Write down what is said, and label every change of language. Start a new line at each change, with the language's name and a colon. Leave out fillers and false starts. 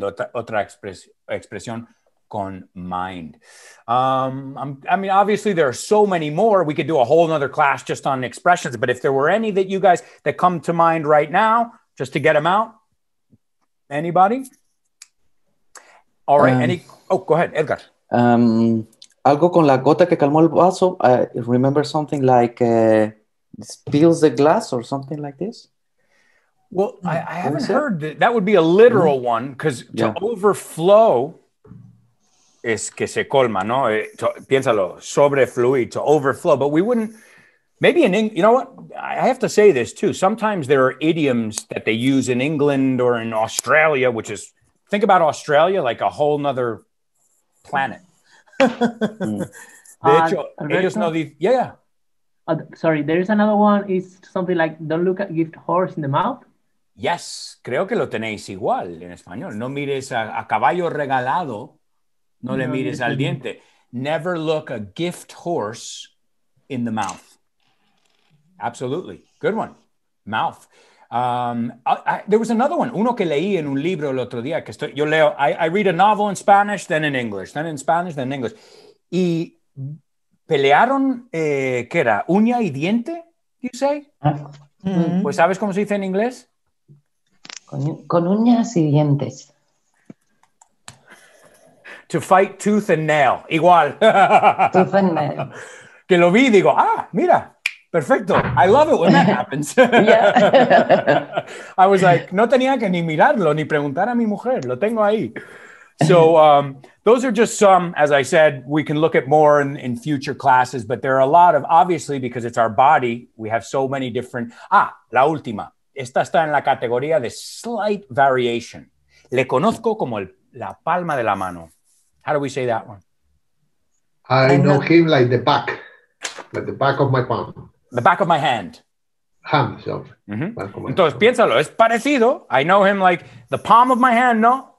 Spanish: Otra expresión con mind.
English: Obviously there are so many more. We could do a whole nother class just on expressions, but if there were any that you guys that come to mind right now, just to get them out, anybody? All right, go ahead, Edgar.
Spanish: Algo con la gota que calmó el vaso.
English: I remember something like spills the glass or something like this. Well, I haven't heard that. That would be a literal one, because to overflow
Spanish: es que se colma, ¿no? Piénsalo, sobrefluir,
English: to overflow. But we wouldn't, maybe in England, you know what? I have to say this too. Sometimes there are idioms that they use in England or in Australia, which is, think about Australia like a whole nother planet.
Spanish: De hecho, ellos no dicen,
English: Sorry, there is another one. It's something like, don't look at gift horse in the mouth.
Spanish: Yes, creo que lo tenéis igual en español. No mires a caballo regalado, no le mires al diente.
English: Never look a gift horse in the mouth. Absolutely. Good one. Mouth. There was another one.
Spanish: Uno que leí en un libro el otro día.
English: I read a novel in Spanish, then in English. Then in Spanish, then in English.
Spanish: Y pelearon, ¿qué era? ¿Uña y diente,
English: you say?
Spanish: Mm-hmm. Pues ¿sabes cómo se dice en inglés? Con uñas y dientes.
English: To fight tooth and nail. Igual. Tooth and nail.
Spanish: Que lo vi y digo, mira, perfecto.
English: I love it when that happens. Yeah. I was like,
Spanish: no tenía que ni mirarlo, ni preguntar a mi mujer. Lo tengo ahí.
English: So those are just some, as I said, we can look at more in future classes, but there are a lot of, obviously, because it's our body, we have so many different.
Spanish: La última. Esta está en la categoría de slight variation. Le conozco como la palma de la mano.
English: How do we say that one? I know him like the back of my palm. The back of my hand. Hand, so.
Spanish: Mm-hmm. Entonces, piénsalo, es parecido.
English: I know him like the palm of my hand, no?